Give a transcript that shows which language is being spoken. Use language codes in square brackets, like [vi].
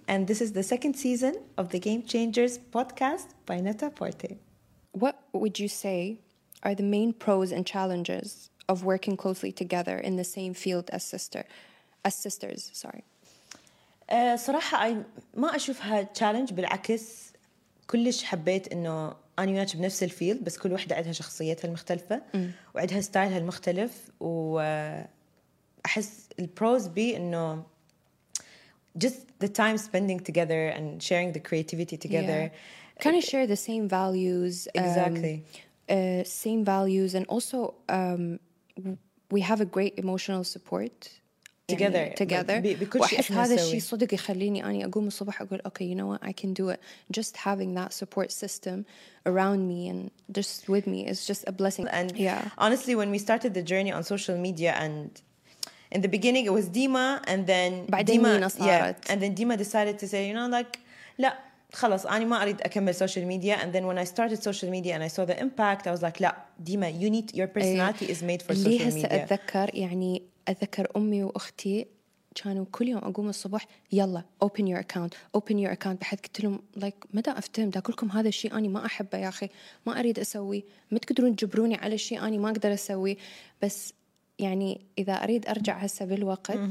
[en] And this is the second season of the Game Changers podcast by Net-a-Porter. What would you say are the main pros and challenges of working closely together in the same field as sisters? [ar] صراحة [en] I [ar] ما أشوف هالchallenge بالعكس كلش حبيت إنه أنا وياك بنفس الفيلد بس كل واحدة عندها شخصيتها المختلفة وعندها ستايلها المختلف و أحس البروز بي إنه [en] just the time spending together and sharing the creativity together yeah. kind of share the same values exactly same values and also we have a great emotional support together [ar] بكل شيء هذا الشيء صدق يخليني أني أقوم الصبح أقول [en] okay you know what I can do it just having that support system around me and just with me is just a blessing and yeah honestly when we started the journey on social media and in the beginning it was Dima and then Dima yeah, and then Dima decided to say you know like [ar] لا خلاص أنا ما أريد أكمل [en] social media and then when I started social media and I saw the impact I was like [ar] لا [en] Dima you need your personality is made for social media [ar] أتذكر يعني أذكر أمي وأختي كانوا كل يوم أقوم الصبح يلا [en] open your account [ar] بحيث قلت لهم [en] like [ar] متى أفتهم ده كلكم هذا الشيء أنا ما أحبه يا أخي ما أريد أسوي ما تقدرون تجبروني على الشيء أنا ما أقدر أسوي بس يعني إذا أريد أرجع هسه بالوقت